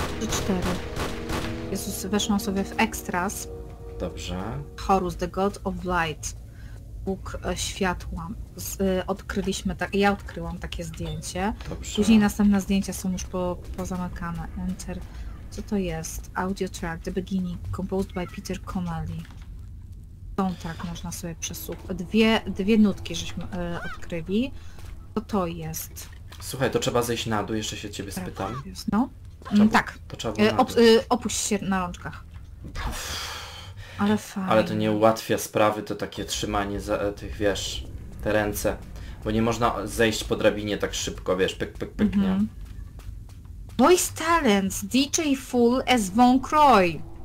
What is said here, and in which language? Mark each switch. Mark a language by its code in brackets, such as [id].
[pl] 4. Jezus, weszłam sobie w ekstras. Dobrze. Horus, [en] the God of Light. [pl] Bóg światła. Odkryliśmy tak. Ja odkryłam takie zdjęcie. Dobrze. Później następne zdjęcia są już pozamykane. Enter. Co to jest? [en] Audio track, the beginning, composed by Peter Connelly. [pl] Soundtrack można sobie przesłuchać. Dwie nutki żeśmy odkryli. Co to jest? Słuchaj, to trzeba zejść na dół, jeszcze się ciebie spytam. No. Tak. To trzeba było opuść się na rączkach. Uff. Ale fajnie. Ale to nie ułatwia sprawy, to takie trzymanie za tych, wiesz, te ręce. Bo nie można zejść po drabinie tak szybko, wiesz, pyk, pyk, pyk, mm-hmm. Nie? [en] Voice talents, DJ Fool as Von Croy.